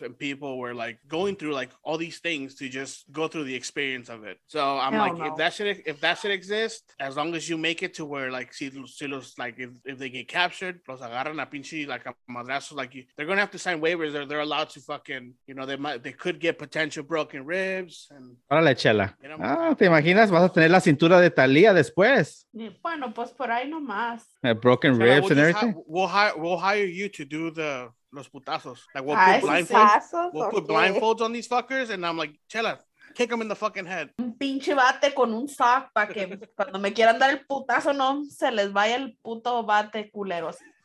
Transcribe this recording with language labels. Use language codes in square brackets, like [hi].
[en] And people were like going through like all these things to just go through the experience of it. So I'm hell like, no. if that should exist, as long as you make it to where like, if they get captured, [es] los agarran a pinche [en] like a madrazo, like they're gonna have to sign waivers. They're allowed to fucking, you know, they could get potential broken ribs. [es] Órale, chela. ¿Te imaginas? Vas a tener la cintura de Talía después. Bueno, pues por ahí nomás. [en] Broken ribs and everything. We'll hire you to do the. [es] Los putazos. [en] Like we'll put blindfolds. We'll put blindfolds on these fuckers, and I'm like, chela. Kick him in the fucking head. [es] Un pinche bate con un sock para que cuando me quieran dar el putazo no se les vaya el puto bate, culeros.